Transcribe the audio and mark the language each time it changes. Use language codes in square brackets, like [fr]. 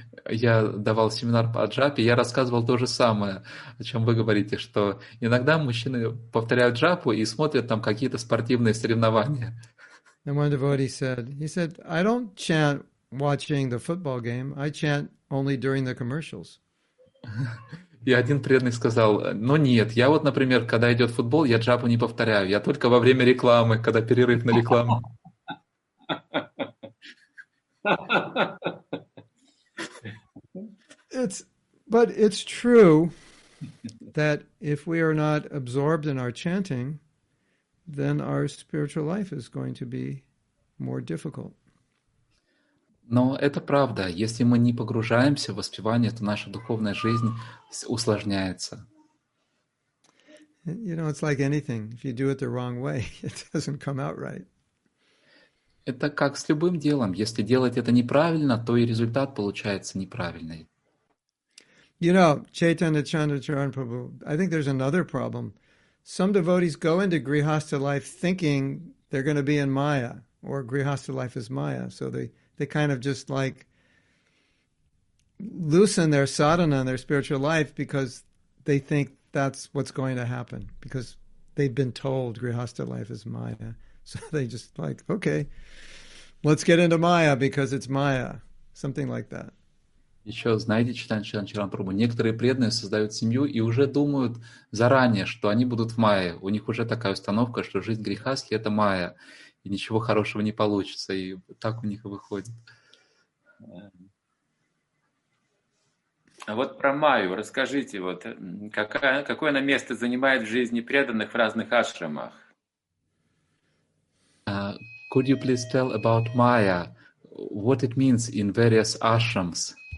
[ru] Я давал семинар по джапе, я рассказывал то же самое, о чем вы говорите, что иногда мужчины повторяют джапу и смотрят там какие-то спортивные соревнования. [en] And one devotee said, he said, I don't chant watching the football game, I chant only during the commercials. [ru] И один преданный сказал, ну нет, я вот, например, когда идет футбол, я джапу не повторяю, я только во время рекламы, когда перерыв на рекламу. [en] But it's true that if we are not absorbed in our chanting, then our spiritual life is going to be more difficult. [ru] Но это правда. Если мы не погружаемся в воспевание, то наша духовная жизнь усложняется. [en] You know, it's like anything. If you do it the wrong way, it doesn't come out right. [ru] Это как с любым делом. Если делать это неправильно, то и результат получается неправильный. [en] You know, Chaitanya Chandracharan Prabhu, I think there's another problem. Some devotees go into grihastha life thinking they're going to be in Maya, or grihastha life is Maya, so they kind of just like loosen their sadhana and their spiritual life because they think that's what's going to happen because they've been told grihastha life is Maya. So they just like, okay, let's get into Maya because it's Maya, something like that. [ru] Еще знаете, читаем Чайтанья Чарамрабху, некоторые преданные создают семью и уже думают заранее, что они будут в Майе. У них уже такая установка, что жизнь грихастхи — это Майя, и ничего хорошего не получится, и так у них и выходит. А вот про Майю расскажите, вот, какое она место занимает в жизни преданных в разных ашрамах? [en] Could you please tell about Maya, what it means in various ashrams?